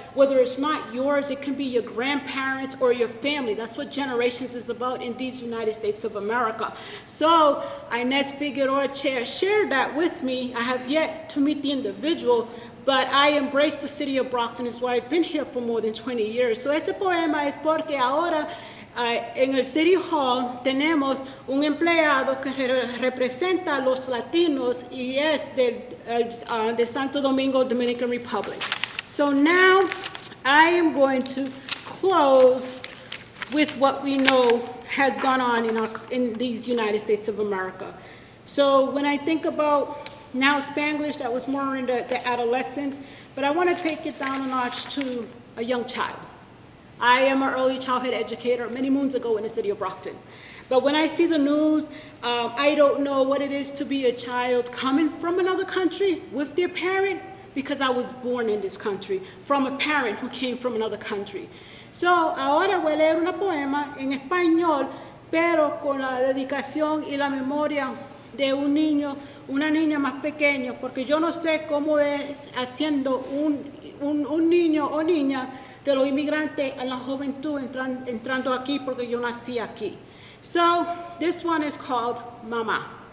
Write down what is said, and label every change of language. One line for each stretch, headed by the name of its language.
English: Whether it's not yours, it can be your grandparents or your family. That's what generations is about in these United States of America. So Inez Figueroa shared that with me. I have yet to meet the individual, but I embrace the city of Brockton, is why I've been here for more than 20 years.
Spanish: So ese poema es porque ahora en el City Hall tenemos un empleado que representa a los Latinos y es de Santo Domingo, Dominican Republic.
English: So now I am going to close with what we know has gone on in these United States of America. So when I think about now Spanglish, that was more in the adolescence, but I want to take it down a notch to a young child. I am an early childhood educator many moons ago in the city of Brockton. But when I see the news, I don't know what it is to be a child coming from another country with their parent, because I was born in this country from a parent who came from another country.
Spanish: So ahora voy a leer una poema en español, pero con la dedicación y la memoria de un niño, una niña más pequeño, porque yo no sé cómo es haciendo un niño o niña de los inmigrantes a la juventud entrando aquí, porque yo nací aquí.
English: So, this one is called Mama.